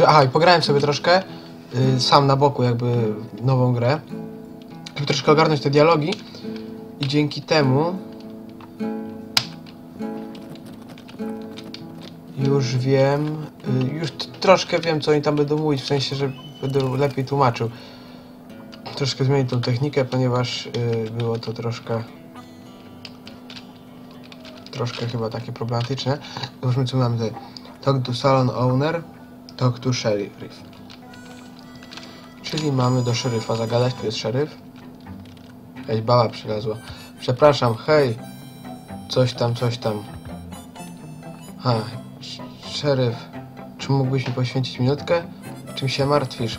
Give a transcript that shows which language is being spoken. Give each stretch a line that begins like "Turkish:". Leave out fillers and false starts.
Polish: Aha, i pograłem sobie troszkę sam na boku, jakby nową grę, żeby troszkę ogarnąć te dialogi, i dzięki temu już wiem, już troszkę wiem, co oni tam będą mówić, w sensie, że będę lepiej tłumaczył. Troszkę zmienię tą technikę, ponieważ było to troszkę chyba takie problematyczne. Zobaczmy, co mamy tutaj.
English: Talk to salon owner, talk to sheriff.
Polish: Czyli mamy do szeryfa zagadać, tu jest szeryf. Ej, baba przylazła. Przepraszam, hej, coś tam. Ha. Szeryf, czy mógłbyś mi poświęcić minutkę? Czym się martwisz?